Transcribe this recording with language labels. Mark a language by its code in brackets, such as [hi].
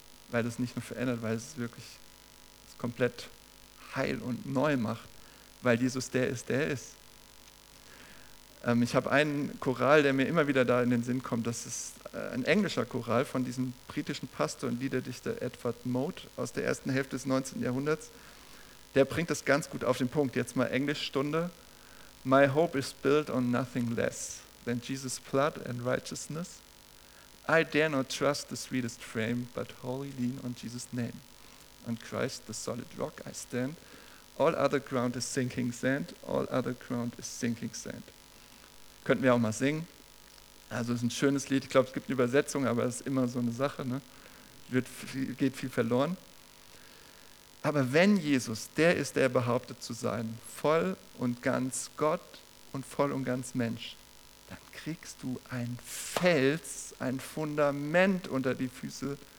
[de] Weil das nicht nur verändert, weil es wirklich es komplett heil und neu macht, weil Jesus der ist, der ist. Ich habe einen Choral, der mir immer wieder da in den Sinn kommt, das ist ein englischer Choral von diesem britischen Pastor und Liederdichter Edward Mote aus der ersten Hälfte des 19. Jahrhunderts. Der bringt das ganz gut auf den Punkt. Jetzt mal Englischstunde. [en] My hope is built on nothing less than Jesus' blood and righteousness. I dare not trust the sweetest frame, but wholly lean on Jesus' name. On Christ, the solid rock, I stand. All other ground is sinking sand. All other ground is sinking sand. [de] Könnten wir auch mal singen. Also es ist ein schönes Lied. Ich glaube, es gibt eine Übersetzung, aber es ist immer so eine Sache. Ne? Geht viel verloren. Aber wenn Jesus der ist, der behauptet zu sein, voll und ganz Gott und voll und ganz Mensch, dann kriegst du ein Fels, ein Fundament unter die Füße.